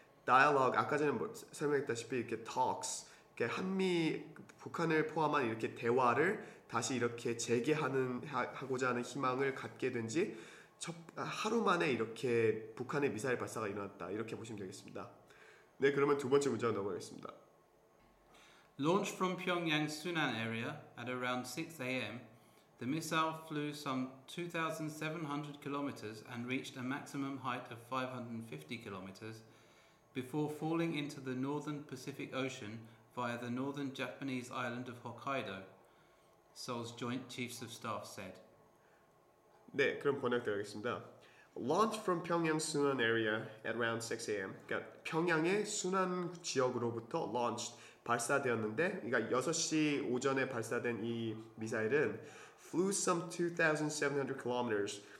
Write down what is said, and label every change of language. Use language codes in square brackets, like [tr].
[ko] Dialogue 아까 전에 설명했다시피 이렇게 [en] talks, [ko] 이렇게 한미 북한을 포함한 이렇게 대화를 다시 이렇게 하고자 하는 희망을 갖게 된지 하루 만에 이렇게 북한의 미사일 발사가 일어났다 이렇게 보시면 되겠습니다. 네, 그러면 두 번째 문장 넘어가겠습니다. [en] Launched from Pyongyang Sunan area at around 6 a.m. The missile flew some 2,700 kilometers and reached a maximum height of 550 kilometers before falling into the northern Pacific Ocean via the northern Japanese island of Hokkaido, Seoul's Joint Chiefs of Staff said. [ko] 네, 그럼 번역드리겠습니다. [en] Launched from Pyongyang Sunan area at around 6 a.m. [ko] 그러니까 평양의 순안 지역으로부터 [en] launched, [ko] 발사되었는데 그러니까 6시 오전에 발사된 이 미사일은 [en] flew some 2,700 kilometers.